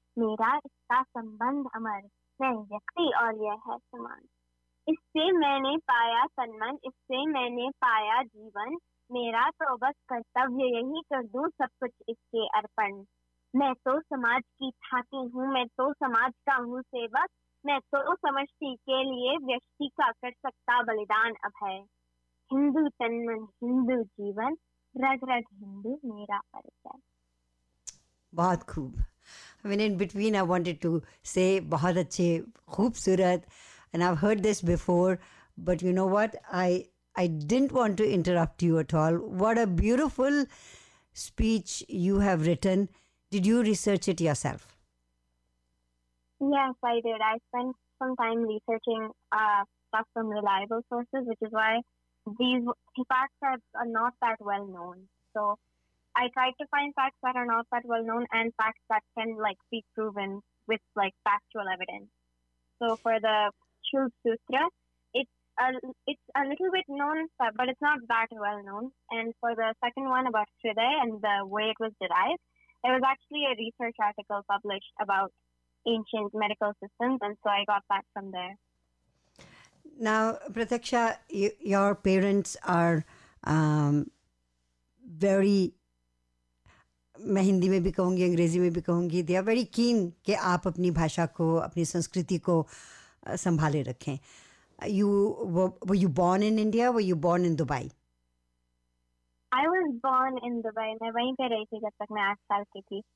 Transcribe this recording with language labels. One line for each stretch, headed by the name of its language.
Hindi: मेरा इसका संबंध अमर मैं व्यक्ति और यह है समान इससे मैंने पाया सम्मान इससे मैंने पाया जीवन मेरा तो बस कर्तव्य यही कर दूं सब कुछ इसके अर्पण मैं तो समाज की थाती हूँ मैं तो समाज का हूँ सेवक मैं तो समष्टि के लिए व्यक्ति का कर सकता बलिदान अब है हिंदू तन मन हिंदू जीवन रग रग हिंदू मेरा परिचय बहुत खूब
English: I mean, in between, I wanted to say,
Hindi: bahut acche, khoobsurat,
English: and I've heard this before, but you know what? I didn't want to interrupt you at all. What a beautiful speech you have written. Did you research it yourself? Yes, I did. I spent some time researching stuff from reliable sources, which is why these facts are not that well known. So, I tried to find facts that are not that well known and facts that can like be proven with like factual evidence. So for the Shup Sutra, it's it's a little bit known, but it's not that well known. And for the second one about Hriday and the way it was derived, there was actually a research article published about ancient medical systems, and so I got that from there. Now, Prateksha, your parents are very...
Hindi: मैं हिंदी में भी कहूँगी अंग्रेजी में भी कहूँगी
English: they are very keen
Hindi: कि आप अपनी भाषा को अपनी संस्कृति को संभाले रखें
English: you were you born in India were you born in Dubai I was born in Dubai
Hindi: मैं वहीं पे रही थी जब तक मैं 8 साल की थी